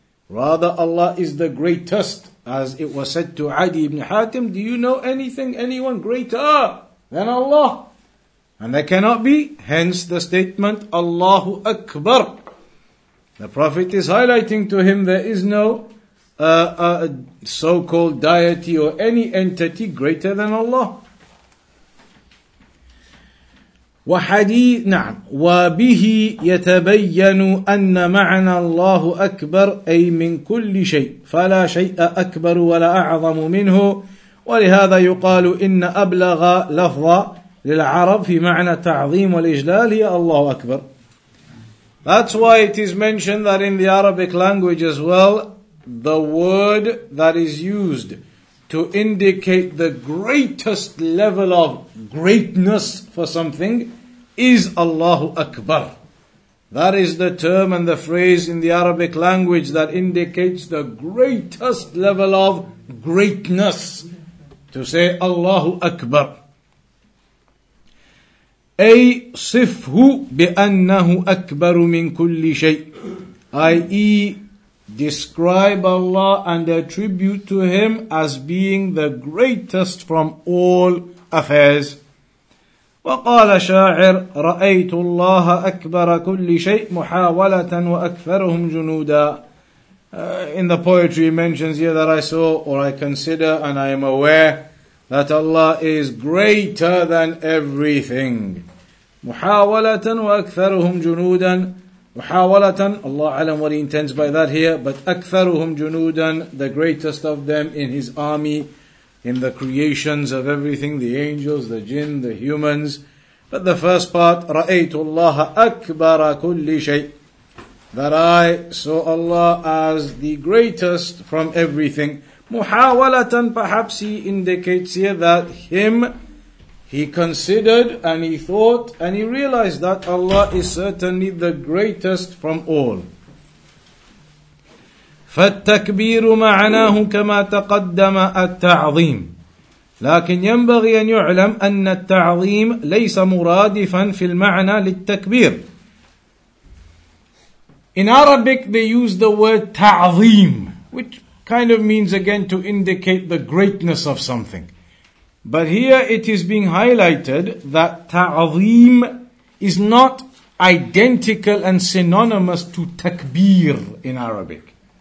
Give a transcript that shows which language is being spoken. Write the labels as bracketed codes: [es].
[en] Rather, Allah is the greatest. As it was said to Adi ibn Hatim, do you know anything, anyone greater than Allah? And there cannot be. Hence the statement, Allahu Akbar. The Prophet is highlighting to him there is no so-called deity or any entity greater than Allah. [ar] وحديث نعم وبه يتبين أن معنى الله أكبر أي من كل شيء فلا شيء أكبر ولا أعظم منه ولهذا يقال إن أبلغ لفظ للعرب في معنى تعظيم والإجلال هي الله أكبر. [en] That's why it is mentioned that in the Arabic language as well, the word that is used to indicate the greatest level of greatness for something is Allahu Akbar. That is the term and the phrase in the Arabic language that indicates the greatest level of greatness, to say Allahu Akbar. [ar] أي صفه بأنه أكبر من كل شيء i.e. [en] describe Allah and attribute to Him as being the greatest from all affairs. [ar] وقال شاعر رأيت الله أكبر كل شيء محاولة وأكثرهم جنودا. [en] In the poetry he mentions here that I saw or I consider and I am aware that Allah is greater than everything. [ar] محاولة وأكثرهم جنودا. [en] محاولة, Allah أعلم what he intends by that here, but [ar] أكثرهم جنودا, [en] the greatest of them in his army, in the creations of everything, the angels, the jinn, the humans. But the first part, [ar] رأيت الله أكبر كل شيء, [en] that I saw Allah as the greatest from everything. محاولة, perhaps he indicates here that him, he considered and he thought and he realized that Allah is certainly the greatest from all. [ar] فالتكبير معناه كما تقدم التعظيم. لكن ينبغي أن يعلم أن التعظيم ليس مرادفا في المعنى للتكبير. [en] In Arabic they use the word تعظيم, which kind of means again to indicate the greatness of something. But here it is being highlighted that ta'zeem is not identical and synonymous to takbir in Arabic.